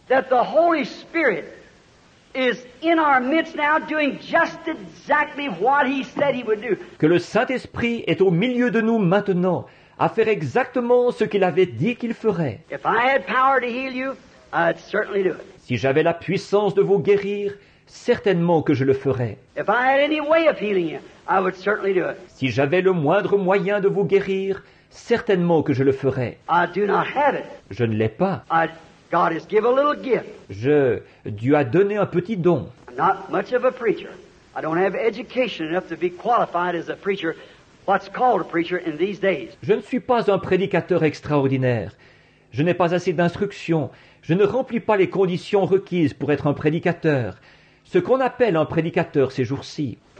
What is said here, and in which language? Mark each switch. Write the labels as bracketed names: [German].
[English] That the Holy Spirit is in our midst now doing just exactly what he said he would do. [French] Que le Saint-Esprit est au milieu de nous maintenant à faire exactement ce qu'il avait dit qu'il ferait. [English] If I had power to heal you, I'd certainly do it. [French] Si j'avais la puissance de vous guérir, certainement que je le ferais. [English] If I had any way of healing you, I would certainly do it. [French] Si j'avais le moindre moyen de vous guérir, Certainement que je le ferai. [English] I do not have it. [French] Je ne l'ai pas. [English] God has given a little gift. [French] Dieu a donné un petit don. [English] I'm not much of a preacher. I don't have education enough to be qualified as a preacher, what's called a preacher in these days. [French] Je ne suis pas un prédicateur extraordinaire. Je n'ai pas assez d'instruction. Je ne remplis pas les conditions requises pour être un prédicateur. Ce qu'on appelle un prédicateur ces jours-ci.